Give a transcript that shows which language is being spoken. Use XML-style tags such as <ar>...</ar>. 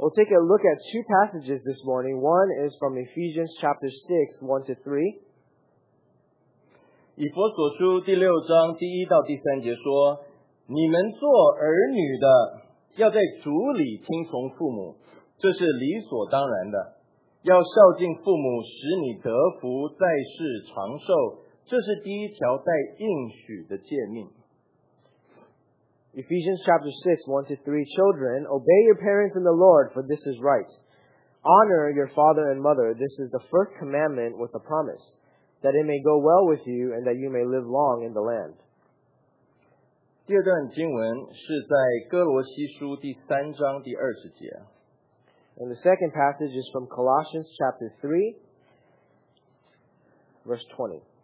<en>We'll take a look at two passages this morning. One is from Ephesians chapter 6, 1 to 3.</en> <zh>以弗所书第六章第一到第三节说，你们做儿女的，要在主里听从父母，这是理所当然的。要孝敬父母，使你得福，在世长寿，这是第一条带应许的诫命。Ephesians</zh> <en>chapter 6, 1 to 3, children, obey your parents in the Lord, for this is right. Honor your father and mother, this is the first commandment with a promise, that it may go well with you and that you may live long in the land.</en> <zh>第二段经文是在哥罗西书第三章第二十节。</zh> <en>And the second passage is from Colossians chapter 3, verse 20.</en>